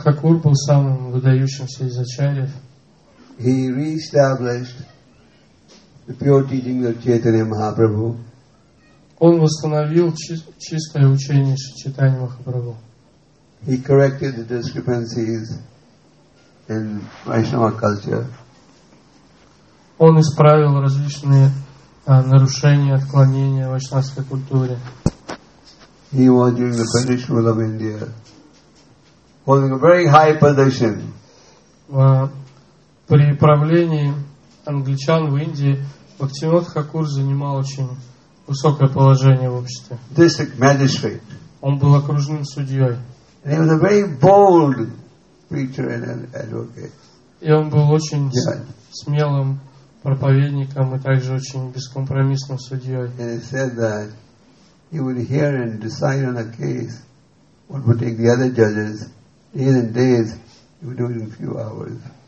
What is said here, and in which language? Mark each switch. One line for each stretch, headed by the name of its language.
Russian: Тхакур был самым выдающимся из ачарьев.
English: He re-established the pure teachings of Chaitanya Mahaprabhu.
Russian: Он восстановил чистое учение Чайтаньи Махапрабху.
English: He corrected the discrepancies in Vaishnava culture.
Russian: Он исправил различные нарушения, отклонения в вайшнавской культуре.
English: He was during the British rule of India holding a very high position.
Russian: При правлении англичан в Индии Бхактивинода Тхакур занимал очень высокое положение в обществе.
English: District magistrate.
Russian: Он был окружным судьей.
English: And he was a very bold preacher and advocate.
Russian: И он был очень смелым проповедником и также очень бескомпромиссным судьей.
English: And he said that he would hear and decide on a case what would take the other judges days and days, he would do it in a few hours.